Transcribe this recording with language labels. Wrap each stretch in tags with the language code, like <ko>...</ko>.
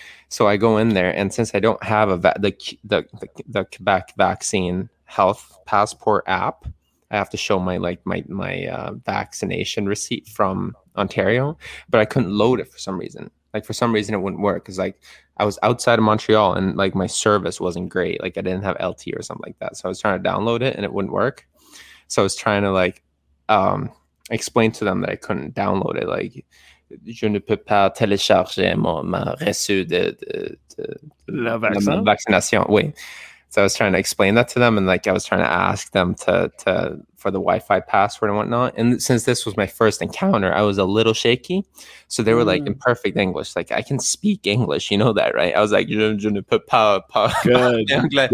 <en>So I go in there and since I don't have the Quebec vaccine health passport app, I have to show my vaccination receipt from Ontario, but I couldn't load it for some reason. Like for some reason it wouldn't work. Cause like I was outside of Montreal and like my service wasn't great. Like I didn't have LT or something like that. So I was trying to download it and it wouldn't work. So I was trying to like explain to them that I couldn't download it.</en> <fr>Like, je ne peux pas télécharger ma reçu de vaccination. Oui.</fr> <en>So I was trying to explain that to them and like I was trying to ask them to for the Wi-Fi password and whatnot. And since this was my first encounter, I was a little shaky. So they were like in perfect English. Like I can speak English, you know that, right? I was like,</en> <fr>je ne peux pas</fr> <en>good,</en> <fr>anglais.</fr>